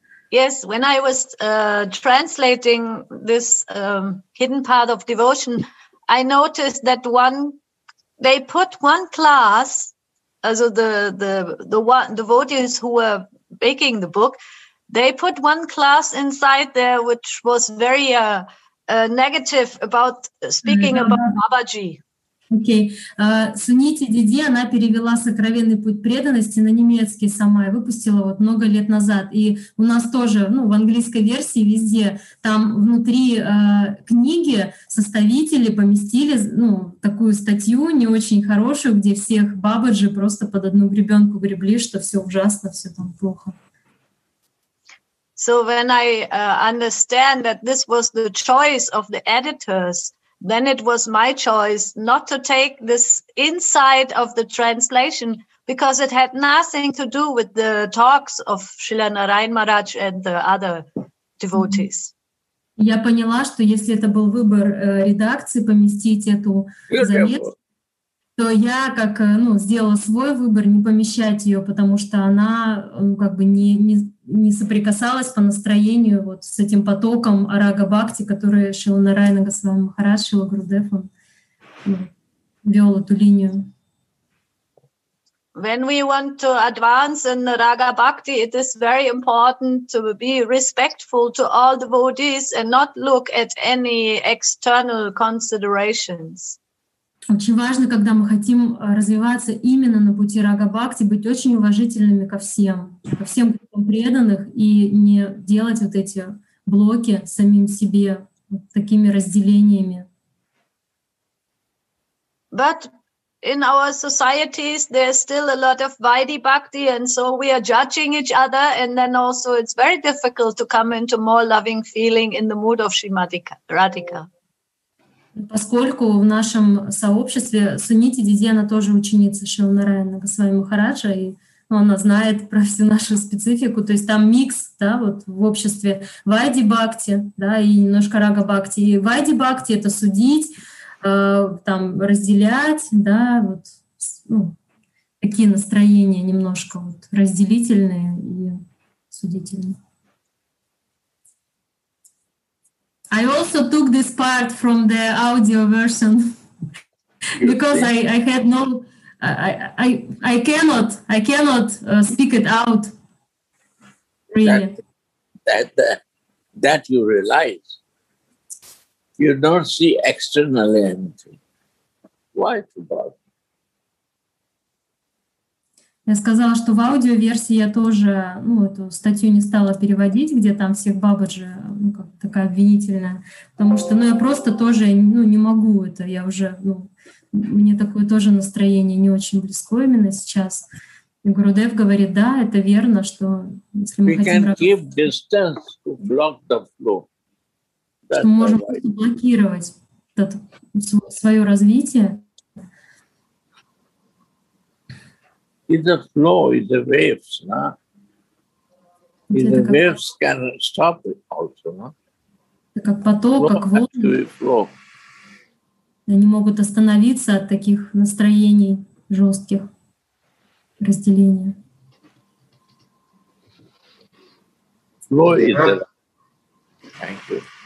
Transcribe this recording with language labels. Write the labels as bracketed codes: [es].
[en] Yes, when I was translating this hidden path of devotion, I noticed that they put one class. Also the devotees who were making the book, they put one class inside there which was very negative about speaking about Babaji. [ru] Окей. Суните Диди, она перевела «Сокровенный путь преданности» на немецкий сама и выпустила вот много лет назад. И у нас тоже, ну, в английской версии везде, там внутри книги составители поместили, ну, такую статью не очень хорошую, где всех бабаджи просто под одну гребенку гребли, что все ужасно, все там плохо. [en] So when I understand that this was the choice of the editors, then it was my choice not to take this inside of the translation because it had nothing to do with the talks of Srila Narayan Maharaj and the other devotees. [ru] Я поняла, что если это был выбор редакции поместить эту заметку, то я как, ну, сделала свой выбор не помещать ее, потому что она, ну, как бы не соприкасалась по настроению вот с этим потоком Арага Бхакти, который Шрила Нарайана Госвами Махарадж, Шрила Гурудев, он, ну, вел эту линию. [en] When we want to advance in Arāga Bhakti, it is very important to be respectful to all devotees and not look at any external considerations. [ru] Очень важно, когда мы хотим развиваться именно на пути Рага Бхакти, быть очень уважительными ко всем преданных, и не делать вот эти блоки самим себе вот такими разделениями. [en] But in our societies there's still a lot of Vaidhi Bhakti, and so we are judging each other, and then also it's very difficult to come into more loving feeling in the mood of Srimati Radhika. [ru] Поскольку в нашем сообществе Сунити Диди, она тоже ученица Шрилы Нараяны Госвами Махараджа, и, ну, она знает про всю нашу специфику, то есть там микс, да, вот в обществе Вайди Бхакти, да, и немножко Рага Бхакти. И Вайди Бхакти — это судить, там разделять, да, вот, ну, такие настроения немножко вот, разделительные и судительные. [en] I also took this part from the audio version because I had no, I cannot speak it out. Really. That you realize you don't see externally anything. Why to bother? [ru] Я сказала, что в аудиоверсии я тоже, ну, эту статью не стала переводить, где там всех бабаджи, ну, как такая обвинительная, потому что, ну, я просто тоже, ну, не могу это, я уже, ну, мне такое тоже настроение не очень близко именно сейчас. И Гурудев говорит, да, это верно, что если мы [en] we [ru] хотим... [en] Can give distance to block the flow. [ru] Что мы можем просто блокировать этот, свое развитие. [en] It's a flow, it's a waves, no? It's a waves can stop it also, no? [ru] Как поток, как волны. Они могут остановиться от таких настроений жестких разделения. [en] Flow is a... Thank you.